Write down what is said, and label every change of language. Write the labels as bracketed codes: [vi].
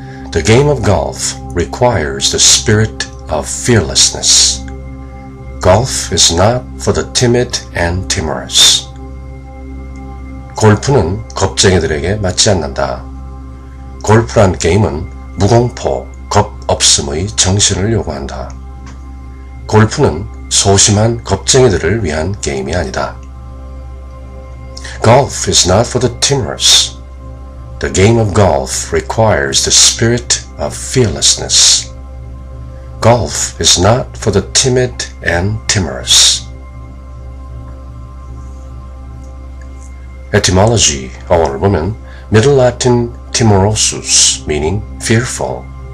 [en] The game of golf requires the spirit of fearlessness. Golf is not for the timid and timorous. [ko] 골프는 겁쟁이들에게 맞지 않는다. 골프란 게임은 무공포, 겁 없음의 정신을 요구한다. 골프는 소심한 겁쟁이들을 위한 게임이 아니다. [en] Golf is not for the timorous. The game of golf requires the spirit of fearlessness. Golf is not for the timid and timorous. Etymology, [ko] 영어로 보면 [en] Middle Latin timorosus, meaning fearful.